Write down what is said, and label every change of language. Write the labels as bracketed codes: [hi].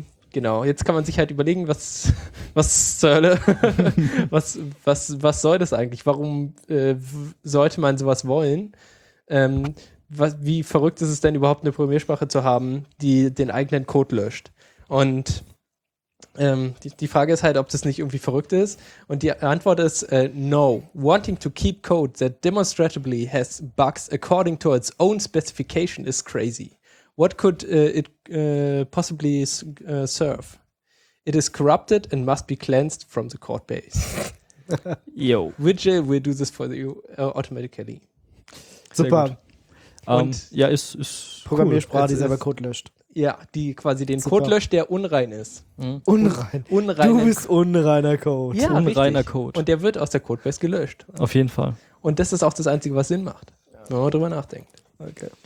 [de] Genau, jetzt kann man sich halt überlegen, was zur Hölle, was soll das eigentlich? Warum sollte man sowas wollen? Wie verrückt ist es denn überhaupt, eine Programmiersprache zu haben, die den eigenen Code löscht? Und die Frage ist halt, ob das nicht irgendwie verrückt ist. Und die Antwort ist no. [en] Wanting to keep code that demonstrably has bugs according to its own specification is crazy. What could it possibly serve? It is corrupted and must be cleansed from the code base. Yo. Vigil will do this for you automatically. [de] Super. Und ja, ist Programmiersprache, cool. Die selber Code löscht. Ja, die quasi den Super. Code löscht, der unrein ist. Hm? Unrein. Unreinen du bist unreiner Code. Ja, unreiner richtig. Code. Und der wird aus der Codebase gelöscht. Auf jeden Fall. Und das ist auch das Einzige, was Sinn macht, ja. Wenn man drüber nachdenkt. Okay.